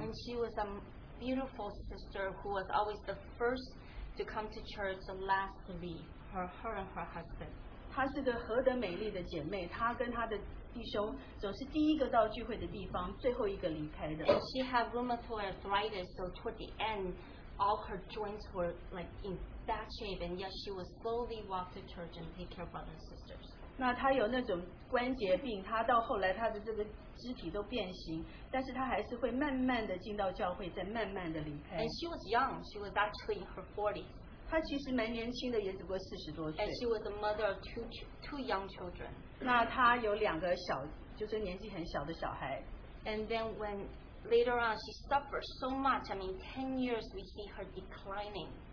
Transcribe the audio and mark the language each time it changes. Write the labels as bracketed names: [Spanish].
[English] And she was a beautiful sister who was always the first to come to church, the last to leave, her and her husband. [Chinese] 她是个何等美丽的姐妹，她跟她的 弟兄总是第一个到聚会的地方，最后一个离开的。 [English] And she had rheumatoid arthritis, so toward the end, all her joints were like in bad shape, and yet she would slowly walk to church and take care of brothers and sisters. [Chinese] 那她有那种关节病，她到后来她的这个肢体都变形，但是她还是会慢慢的进到教会，再慢慢的离开。 [English] And she was young, she was actually in her 40s. [Chinese] 她其实蛮年轻的，也只不过40多岁。 [English] And she was the mother of two young children. [Chinese] 那她有两个小，就是年纪很小的小孩。 [English] And then when later on she suffered so much, I mean 10 years we see her declining.